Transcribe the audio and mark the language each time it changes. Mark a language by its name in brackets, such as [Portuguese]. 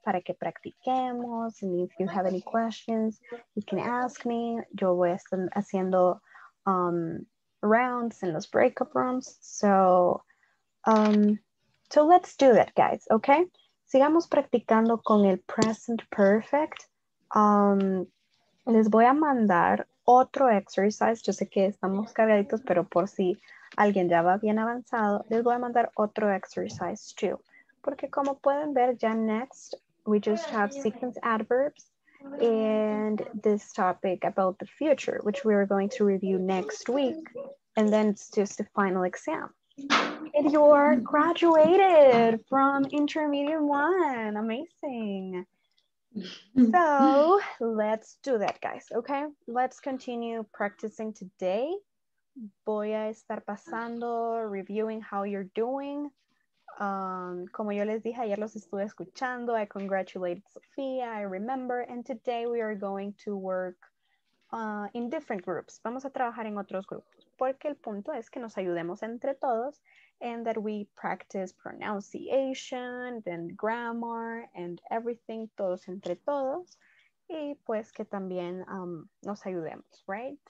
[Spanish] Para que practiquemos, [English] and if you have any questions, you can ask me. [Spanish] Yo voy a estar haciendo rounds in los breakup rooms. [English] So, so let's do that, guys, okay? [Spanish] Sigamos practicando con el present perfect. Les voy a mandar otro exercise. Yo sé que estamos cargaditos, pero por si alguien ya va bien avanzado, les voy a mandar otro exercise too. Porque como pueden ver, ya [English] next, we just have sequence adverbs and this topic about the future, which we are going to review next week. And then it's just a final exam. And you're graduated from Intermediate 1. Amazing. So let's do that, guys, okay? Let's continue practicing today. [Spanish] Voy a estar pasando, [English] reviewing how you're doing. [Spanish] Como yo les dije, ayer los estuve escuchando. [English] I congratulated Sofía, I remember. And today we are going to work in different groups. [Spanish] Vamos a trabajar en otros grupos. Porque el punto es que nos ayudemos entre todos [English] and that we practice pronunciation, then grammar, and everything, [Spanish] todos entre todos, y pues que también nos ayudemos, right?